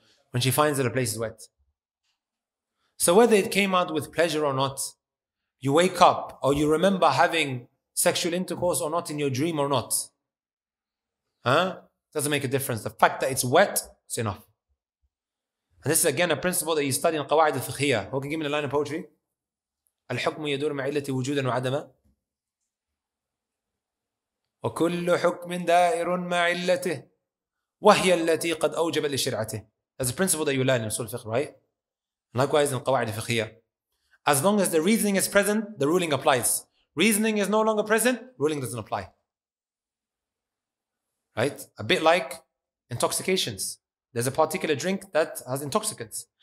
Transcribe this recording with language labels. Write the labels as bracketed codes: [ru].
[en] When she finds that a place is wet. So whether it came out with pleasure or not, you wake up or you remember having sexual intercourse or not in your dream or not. Huh? Doesn't make a difference. The fact that it's wet, it's enough. And this is again a principle that you study in Qawa'id al-Fiqhiyya. Who can give me a line of poetry? [ar] Al-Hukmu yadur ma'ilati wujudan wa'adama. وكل حكم دائر مع علته وهي التي قد أوجب لشرعته. [en] That's a principle that you learn in Usul Fiqh, right? Likewise in Qawa'id al-Fiqhiyya. As long as the reasoning is present, the ruling applies. Reasoning is no longer present, ruling doesn't apply. Right? A bit like intoxications. There's a particular drink that has intoxicants.